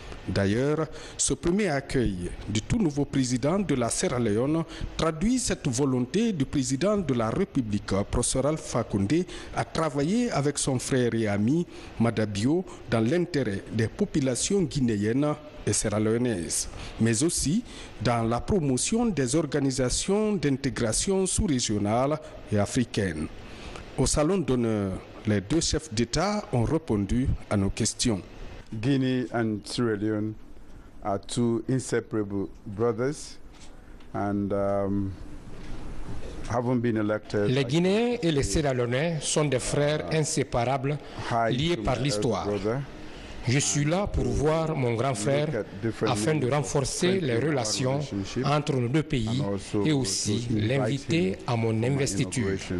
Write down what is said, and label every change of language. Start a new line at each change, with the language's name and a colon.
French: D'ailleurs, ce premier accueil du tout nouveau président de la Sierra Leone traduit cette volonté du président de la République, professeur Alpha Condé, à travailler avec son frère et ami Mada Bio dans l'intérêt des populations guinéennes et sierra-léonaises, mais aussi dans la promotion des organisations d'intégration sous-régionale et africaine. Au salon d'honneur, les deux chefs d'État ont répondu à nos questions.
English: Guinea and Sierra Leone are two inseparable brothers, and haven't been elected.
French: Les Guinéens et les Sierra Leoneais sont des frères inséparables, liés par l'histoire. Je suis là pour voir mon grand frère afin de renforcer les relations entre nos deux pays et aussi l'inviter à mon investiture.